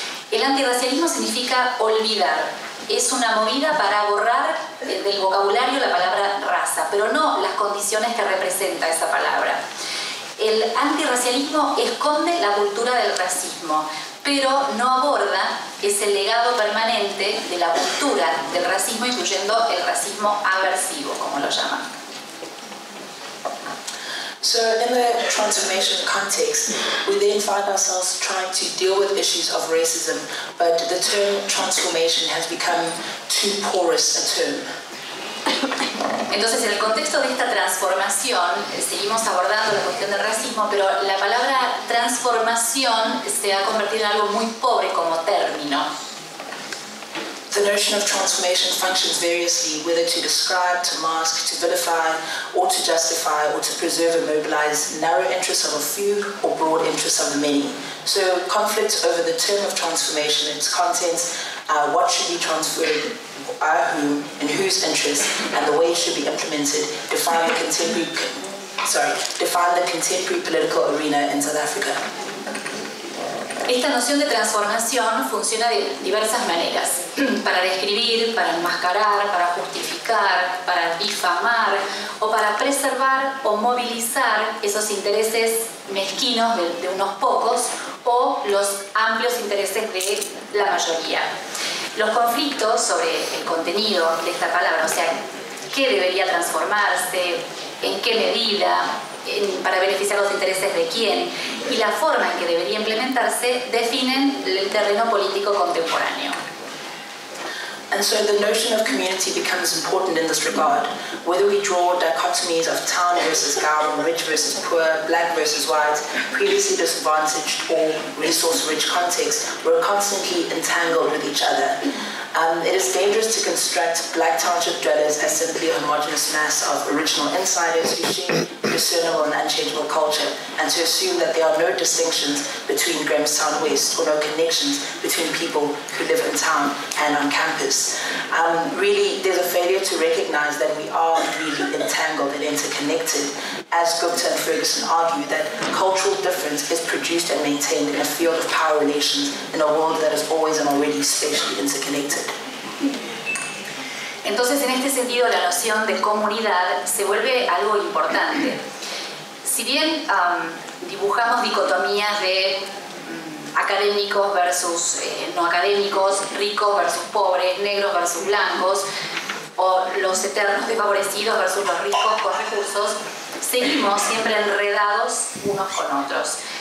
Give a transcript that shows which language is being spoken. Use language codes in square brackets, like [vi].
[es] El antirracialismo significa olvidar. Es una movida para borrar del vocabulario la palabra raza, pero no las condiciones que representa esa palabra. El antirracialismo esconde la cultura del racismo, pero no aborda ese legado permanente de la cultura del racismo, incluyendo el racismo aversivo, como lo llaman. [en] So in the transformation context, we then find ourselves trying to deal with issues of racism, but the term transformation has become too porous a term. [es] Entonces, en el contexto de esta transformación, seguimos abordando la cuestión del racismo, pero la palabra transformación se ha convertido en algo muy pobre como término. [en] The notion of transformation functions variously, whether to describe, to mask, to vilify, or to justify, or to preserve and mobilize narrow interests of a few or broad interests of the many. So conflicts over the term of transformation and its contents, what should be transferred, by whom, in whose interests, and the way it should be implemented, define the contemporary political arena in South Africa. [es] Esta noción de transformación funciona de diversas maneras, para describir, para enmascarar, para justificar, para difamar o para preservar o movilizar esos intereses mezquinos de unos pocos o los amplios intereses de la mayoría. Los conflictos sobre el contenido de esta palabra, o sea, qué debería transformarse, en qué medida, para beneficiar los intereses de quién y la forma en que debería implementarse definen el terreno político contemporáneo. [en] And so the notion of community becomes important in this regard. Whether we draw dichotomies of town versus gown, rich versus poor, black versus white, previously disadvantaged or resource-rich contexts, we're constantly entangled with each other. It is dangerous to construct black township dwellers as simply a homogenous mass of original insiders who share discernible and unchangeable culture, and to assume that there are no distinctions between Grahamstown West or no connections between people who live in town and on campus. Really, there's a failure to recognize that we are really entangled and interconnected, as Gupta and Ferguson argue, that cultural difference is produced and maintained in a field of power relations in a world that is always and already spatially interconnected. [es] Entonces, en este sentido, la noción de comunidad se vuelve algo importante. Si bien dibujamos dicotomías de académicos versus no académicos, ricos versus pobres, negros versus blancos, o los eternos desfavorecidos versus los ricos con recursos, seguimos siempre enredados unos con otros.